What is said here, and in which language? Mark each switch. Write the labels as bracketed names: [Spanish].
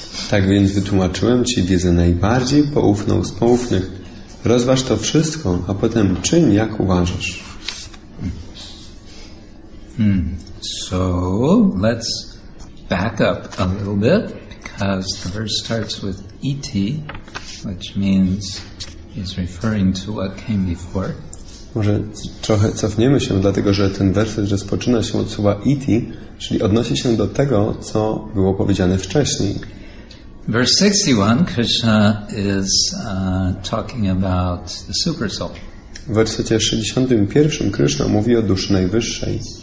[Polish] Tak więc wytłumaczyłem Ci wiedzę najbardziej poufną z poufnych. Rozważ to wszystko, a potem czyń, jak uważasz. [English] So, let's back up a little bit, because the verse starts with iti, which means is referring to what came before. [Polish] Może trochę cofniemy się, dlatego że ten werset rozpoczyna się od słowa iti, czyli odnosi się do tego, co było powiedziane wcześniej. [English] Verse 61, Krishna is talking about the super soul. [Polish] W wersecie 61 Krishna mówi o duszy najwyższej.